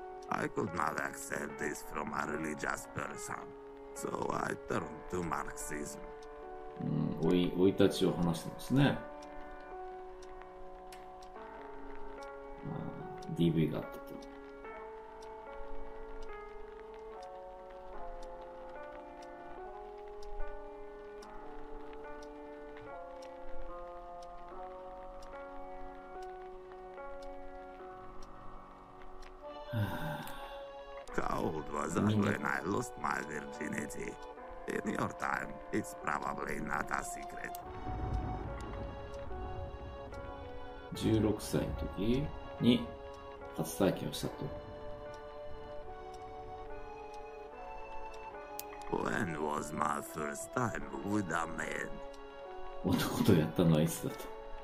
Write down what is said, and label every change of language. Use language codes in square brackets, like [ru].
[en] I could not accept this from a religious person, so I turned to Marxism. [ja] 生い立ちを話してますね。 DV があったと。 [en] When I lost my virginity, in your time, it's probably not a secret. [ja] 16歳の時。に初体験をしたと。 [en] When was my first time with a man? [ja] 男とやったのはいつだと。